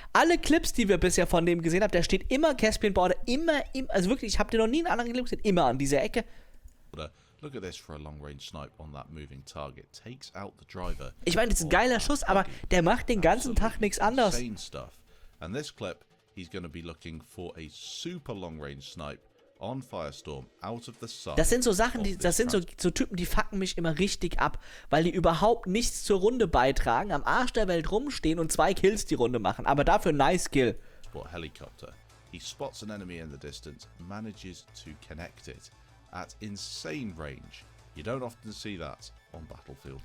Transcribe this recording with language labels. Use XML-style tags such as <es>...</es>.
<de>Alle Clips, die wir bisher von dem gesehen haben, der steht immer Caspian Border. Immer. Also wirklich, ich habe dir noch nie einen anderen Clip gesehen. Immer an dieser Ecke. Oder.</de> <en>Look at this for a long range snipe on that moving target. Takes out the driver.</en> <de>Ich meine, das ist ein geiler Schuss, aber der macht den ganzen Tag nichts anderes.</de> <en>Stuff. And this clip, he's going to be looking for a super long range snipe on Firestorm out of the sun.</en> <de>Das sind so Sachen, das sind so Typen, die fucken mich immer richtig ab, weil die überhaupt nichts zur Runde beitragen, am Arsch der Welt rumstehen und 2 Kills die Runde machen, aber dafür</de> <en>nice kill. Sport helicopter. He spots an enemy in the distance, manages to connect it. At insane range. You don't often see that on Battlefield.</en>